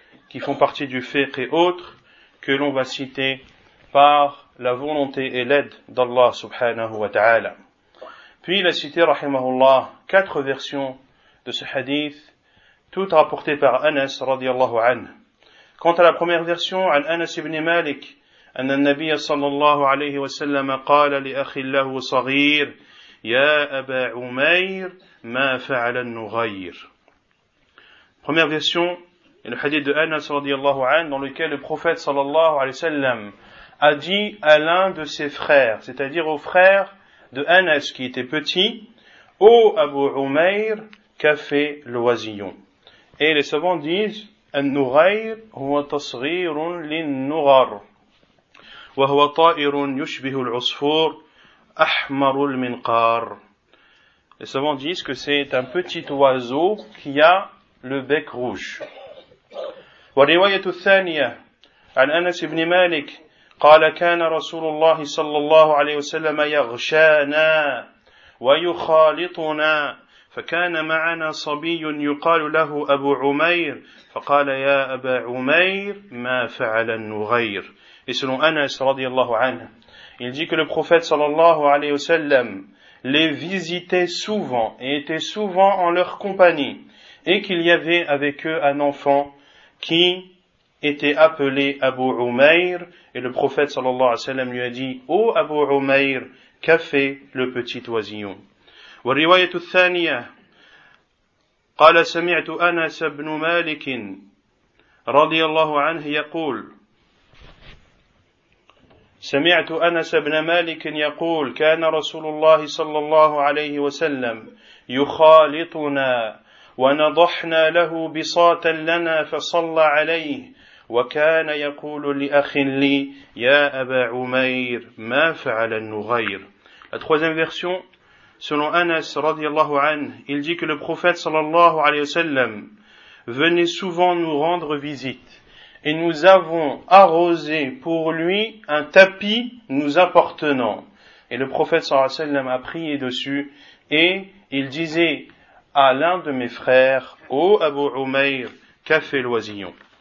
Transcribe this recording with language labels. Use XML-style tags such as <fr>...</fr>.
<fr>qui font partie du fiqh et autres, que l'on va citer par la volonté et l'aide d'Allah subhanahu wa ta'ala. Puis il a cité, rahimahullah, quatre versions de ce hadith, toutes rapportées par Anas radiallahu anhu. Quant à la première version,</fr> <ar>an Anas ibn Malik, أن النبي صلى الله عليه وسلم قال لأخي له صغير يا أبا عمير ما فعل النغير.</ar> <fr>Première version, le hadith de Anas</fr> <ar>رضي الله عنه,</ar> <fr>dans lequel le prophète</fr> <ar>صلى الله عليه وسلم</ar> <fr>a dit à l'un de ses frères, c'est-à-dire au frère de Anas qui était petit, ô Abu Umair, qu'a fait l'oisillon. Et les savants disent</fr> <ar>النغير هو تصغير للنغر وهو طائر يشبه العصفور احمر المنقار.</ar> <fr>Les savants disent que c'est un petit oiseau qui a le bec rouge.</fr> <ar>والروايه الثانيه عن انس بن مالك قال كان رسول الله صلى الله عليه وسلم يغشانا ويخالطنا فكان معنا صبي يقال له ابو عمير فقال يا ابا عمير ما فعل النغير.</ar> <fr>Et selon Anas, radiallahu anhu, il dit que le prophète, sallallahu alayhi wa sallam, les visitait souvent et était souvent en leur compagnie, et qu'il y avait avec eux un enfant qui était appelé Abu Umair, et le prophète, sallallahu alayhi wa sallam, lui a dit, « Ô Abu Umair, qu'a fait le petit oisillon ?»</fr> <ar>Wa riwayatu thaniya, qala sami'tu Anas ibn Malikin, radiallahu anhu, yaqul, سمعت أنس بن مالك يقول كان رسول الله صلى الله عليه وسلم يخالطنا ونضحنا له بساطا لنا فصلى عليه وكان يقول لأخ لي يا أبا عمير ما فعل النغير.</ar> <fr>La troisième version, selon Anas</fr> <ar>رضي الله عنه,</ar> <fr>il dit que le prophète</fr> <ar>صلى الله عليه وسلم</ar> <fr>venait souvent nous rendre visite. Et nous avons arrosé pour lui un tapis nous appartenant. Et le prophète sallallahu alayhi wa sallam a prié dessus. Et il disait à l'un de mes frères, ô Abu Umair, qu'a fait l'oisillon?</fr>